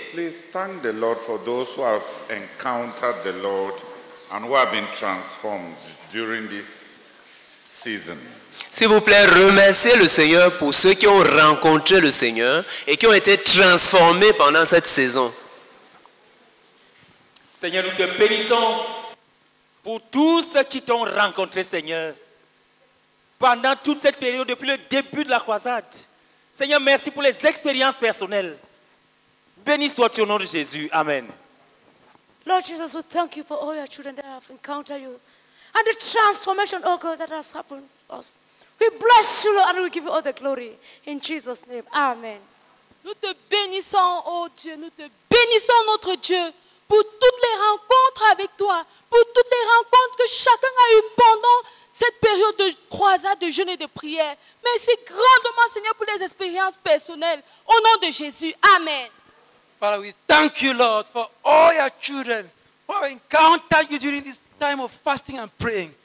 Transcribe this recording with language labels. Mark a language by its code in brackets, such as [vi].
[en] Please thank the Lord for those who have encountered the Lord and who have been transformed during this season. [fr] S'il vous plaît, remerciez le Seigneur pour ceux qui ont rencontré le Seigneur et qui ont été transformés pendant cette saison. Seigneur, nous te bénissons pour tous ceux qui t'ont rencontré, Seigneur, pendant toute cette période, depuis le début de la croisade. Seigneur, merci pour les expériences personnelles. Béni sois-tu au nom de Jésus. Amen. [en] Lord Jesus, we thank you for all your children that have encountered you and the transformation, oh God, that has happened to us. We bless you, Lord, and we give you all the glory. In Jesus' name, amen. [fr] Nous te bénissons, oh Dieu, nous te bénissons, notre Dieu, pour toutes les rencontres avec toi, pour toutes les rencontres que chacun a eues pendant cette période de croisade, de jeûne et de prière. Merci grandement, Seigneur, pour les expériences personnelles. Au nom de Jésus, amen. [en] Father, we thank you, Lord, for all your children who have encountered you during this time of fasting and praying.